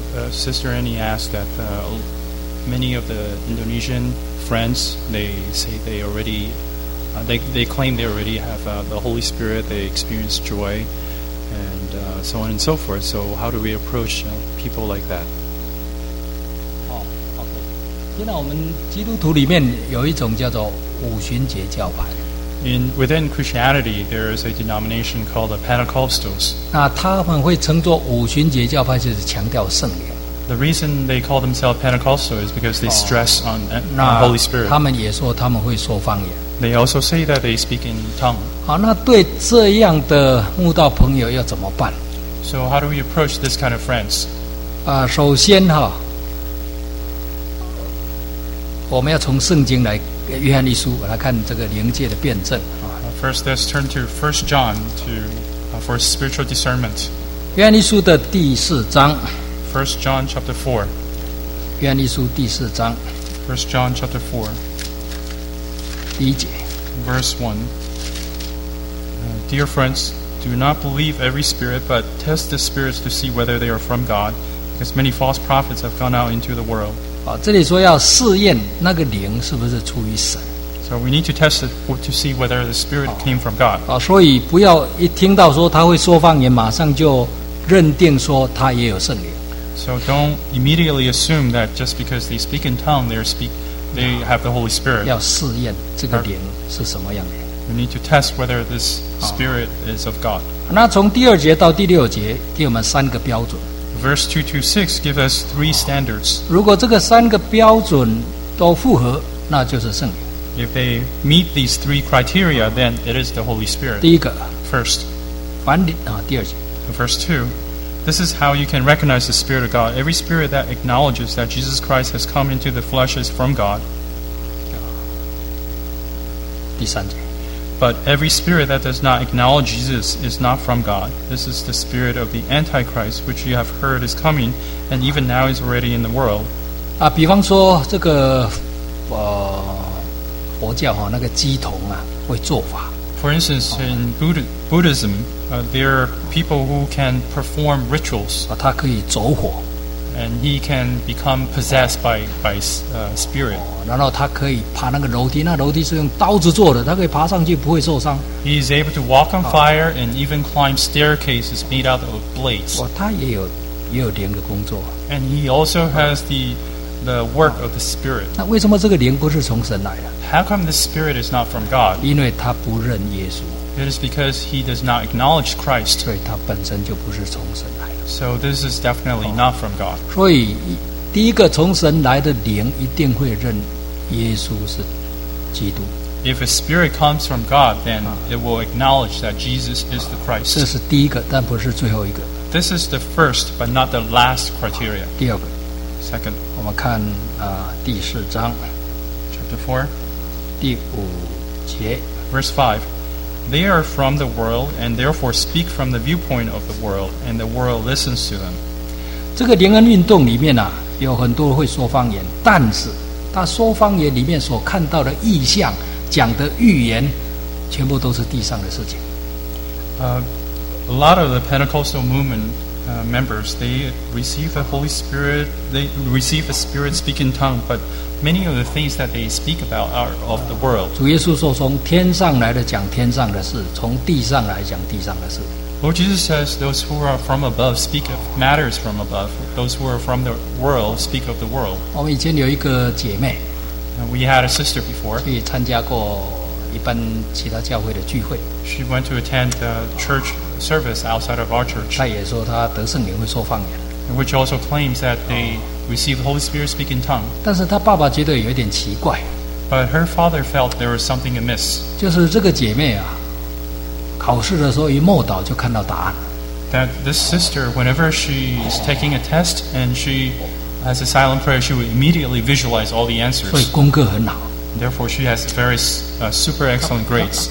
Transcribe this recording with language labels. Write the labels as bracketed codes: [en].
[en] Sister Annie asked that many of the Indonesian friends, they say they already, they claim they already have the Holy Spirit, they experience joy, and so on and so forth. So how do we approach people like that? Within Christianity, there is a denomination called the Pentecostals. [zh] 那他们会称作五旬节教派，就是强调圣灵。 [en] The reason they call themselves Pentecostal is because they stress on Holy Spirit. [zh] 他们也说他们会说方言。 [en] They also say that they speak in tongues. [zh] 好，那对这样的慕道朋友要怎么办？ [en] So how do we approach this kind of friends? [zh] 首先我们要从圣经来，约翰一书来看这个灵界的辩证。 [en] First, let's turn to 1 John for spiritual discernment. [zh] 约翰一书的第四章。 [en] First John chapter 4. [zh] 约翰一书第四章。 [en] First John chapter 4. [zh] 第一节。 [en] Verse 1. Dear friends, do not believe every spirit, but test the spirits to see whether they are from God, because many false prophets have gone out into the world. [zh] 这里说要试验那个灵是不是出于神。 [en] So we need to test it to see whether the spirit came from God. [zh] 所以不要一听到说他会说方言，马上就认定说他也有圣灵。 [en] So don't immediately assume that just because they speak in tongues, they have the Holy Spirit. [zh] 要试验这个灵是什么样的。 [en] We need to test whether this spirit is of God. [zh] 那从第二节到第六节给我们三个标准。 [en] Verse 2 to 6 give us three standards. [zh] 如果这个三个标准都符合，那就是圣灵。 [en] If they meet these three criteria, then it is the Holy Spirit. [zh] 第一个。 [en] First. [zh] 第二节。 [en] Verse 2. This is how you can recognize the Spirit of God. Every spirit that acknowledges that Jesus Christ has come into the flesh is from God. [zh] 第三节。 [en] But every spirit that does not acknowledge Jesus is not from God. This is the spirit of the Antichrist, which you have heard is coming, and even now is already in the world. [zh] 比方说这个佛教那个鸡童会做法。 [en] For instance, in Buddhism, there are people who can perform rituals. [zh] 他可以走火。 [en] And he can become possessed by spirit. [zh] 然后他可以爬那个楼梯，那楼梯是用刀子做的，他可以爬上去不会受伤。 [en] He is able to walk on fire and even climb staircases made out of blades. [zh] 他也有灵的工作。 [en] And he also has the work of the spirit. [zh] 那为什么这个灵不是从神来的？ [en] How come this spirit is not from God? [zh] 因为他不认耶稣。 [en] It is because he does not acknowledge Christ. [zh] 所以他本身就不是从神来的。 [en] So this is definitely not from God. [zh] 所以第一个从神来的灵一定会认耶稣是基督。 [en] If a spirit comes from God, then it will acknowledge that Jesus is the Christ. [zh] 这是第一个，但不是最后一个。 [en] This is the first, but not the last criteria. [zh] 第二个。 [en] Second. [zh] 我们看第四章。 [en] Chapter 4. [zh] 第五节 [en] Verse 5 They are from the world and therefore speak from the viewpoint of the world and the world listens to them. [zh] 这个灵恩运动里面有很多会说方言，但是他说方言里面所看到的意象讲的预言全部都是地上的事情。 [en] A lot of the Pentecostal movementmembers, they receive the Holy Spirit, they receive a spirit speaking tongue, but many of the things that they speak about are of the world. [zh] 主耶稣说从天上来的讲天上的事，从地上来讲地上的事。 [en] Lord Jesus says, those who are from above speak of matters from above. Those who are from the world speak of the world. We had a sister before. She went to attend the church service outside of our church. Which also claims that they received the Holy Spirit speak in tongues. But her father felt there was something amiss. [zh] 就是这个姐妹啊, 考试的时候一默祷, [en] that this sister, whenever she is taking a test and she has a silent prayer, she would immediately visualize all the answers. [zh] 所以功课很好, [en] therefore, she has very super excellent grades.